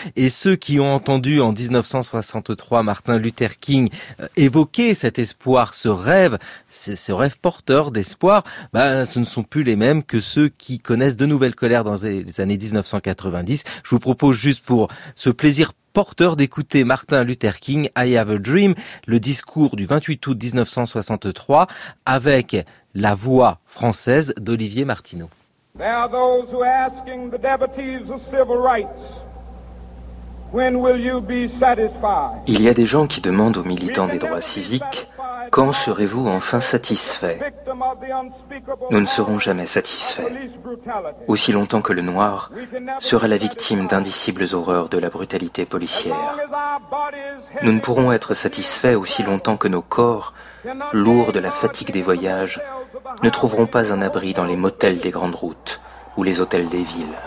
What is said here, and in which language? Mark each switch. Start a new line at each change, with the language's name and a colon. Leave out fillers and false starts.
French: Et ceux qui ont entendu en 1963 Martin Luther King évoquer cet espoir, ce rêve porteur d'espoir, ce ne sont plus les mêmes que ceux qui connaissent de nouvelles colères dans les années 1990. Je vous propose juste pour ce plaisir porteur d'écouter Martin Luther King, I Have a Dream, le discours du 28 août 1963 avec la voix française d'Olivier Martineau.
English: There are those who are asking the devotees of civil rights, when will you be satisfied?
French: Il y a des gens qui demandent aux militants des droits civiques: quand serez-vous enfin satisfait? Nous ne serons jamais satisfaits, aussi longtemps que le noir sera la victime d'indicibles horreurs de la brutalité policière. Nous ne pourrons être satisfaits aussi longtemps que nos corps, lourds de la fatigue des voyages, ne trouveront pas un abri dans les motels des grandes routes ou les hôtels des villes.